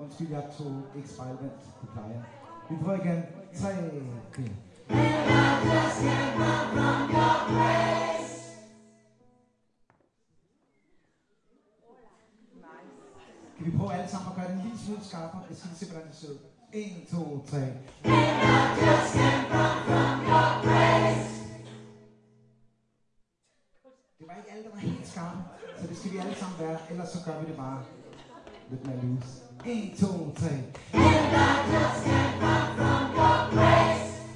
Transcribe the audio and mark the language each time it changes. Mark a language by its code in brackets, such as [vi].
[da] Jeg tog ikke spejlvendt, det plejer. Vi prøver igen. 3, 4. [en] And I just can't run from your grace. [da] Kan vi prøve alle sammen at gøre det en lille smule skarpere? Jeg skal se, hvordan det ser ud. 1, 2, 3. [en] And I just can't run from your grace. [da] Det var ikke alle, der var helt skarpe, så det skal vi alle sammen være. Ellers så gør vi det bare. lidt mere lys. 1, 2, 3. [en] And I just can't run from your grace.